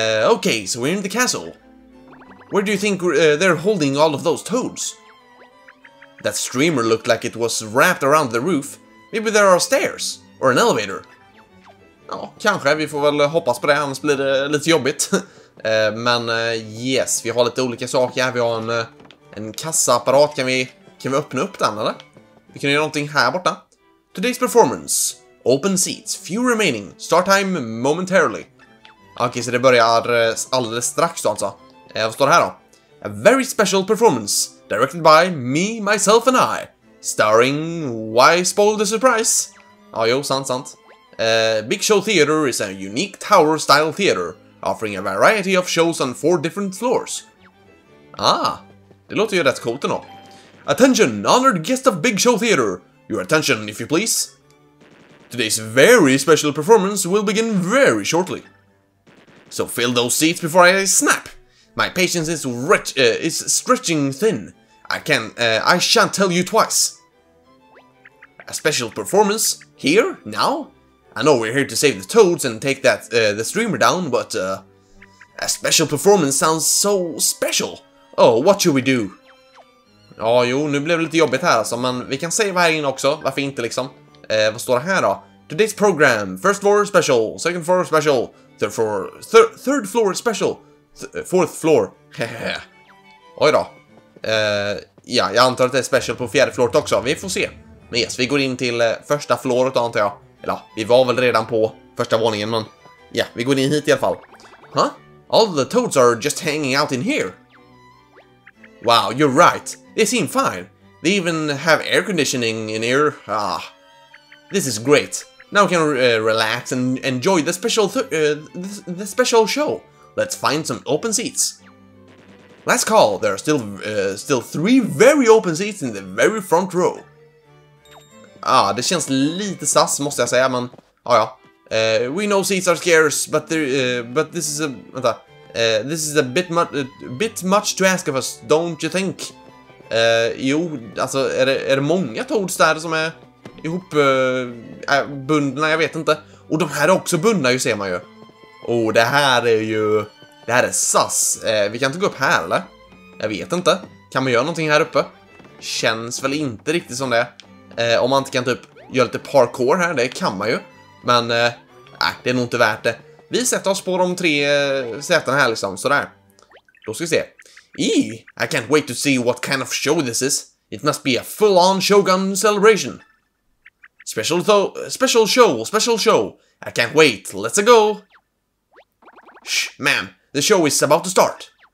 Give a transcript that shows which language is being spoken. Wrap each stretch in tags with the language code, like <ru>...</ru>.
<en>Okay, so we're in the castle. Where do you think they're holding all of those toads? That streamer looked like it was wrapped around the roof. Maybe there are stairs or an elevator.</en> <sv>Ja, kanske. Vi får väl hoppas på det, annars blir det lite jobbigt. yes, vi har lite olika saker här. Vi har en kassaapparat. Kan vi öppna upp den, eller? Vi kan göra någonting här borta.</sv> <en>Today's performance. Open seats. Few remaining. Start time momentarily.</en> <sv>Okej, så det börjar alldeles strax då alltså. Vad står det här då?</sv> <en>A very special performance, directed by me, myself and I. Starring, why spoil the surprise?</en> <sv>Ja, jo, sant.</sv> <en>Big Show Theater is a unique tower-style theater, offering a variety of shows on 4 different floors.</en> <sv>Ah, det låter ju rätt coolt ändå.</sv> <en>Attention, honored guest of Big Show Theater. Your attention, if you please. Today's very special performance will begin very shortly. So fill those seats before I snap. My patience is stretching thin. I shan't tell you twice. A special performance? Here? Now? I know we're here to save the toads and take that the streamer down, but a special performance sounds so special. Oh, what should we do?</en> <sv>Ja, jo, nu blev det lite jobbigt här alltså, men vi kan save här inne också. Varför inte liksom? Vad står det här då?</sv> <en>Today's program, first floor special, second floor special, third floor special, fourth floor.</en> <sv>Oj då. Ja, jag antar att det är special på fjärde floret också. Vi får se. Men yes, vi går in till första floret antar jag. Eller, vi var väl redan på första våningen, men ja, vi går in hit i alla fall. Huh?</sv> <en>All the toads are just hanging out in here. Wow, you're right. They seem fine. They even have air conditioning in here. Ah, this is great. Now we can relax and enjoy the special the special show. Let's find some open seats. Last call. There are still still three very open seats in the very front row.</en> <sv>Ah, det känns lite sus, måste jag säga, men ja.</sv> <en>We know seats are scarce, but this is a this is a bit much to ask of us, don't you think?</en> <sv>Jo, alltså är det många toads där som är ihop bundna, jag vet inte. Och de här är också bundna ju, ser man ju. Och det här är ju, det här är sus. Vi kan inte gå upp här eller? Jag vet inte. Kan man göra någonting här uppe? Känns väl inte riktigt som det. Om man inte kan typ göra lite parkour här, det kan man ju. Men det är nog inte värt det. Vi sätter oss på de tre sätena här liksom, sådär. Då ska vi se.</sv> <en>I can't wait to see what kind of show this is. It must be a full-on Shogun celebration. Special show. I can't wait. Let's go. Shh, ma'am. The show is about to start.</en>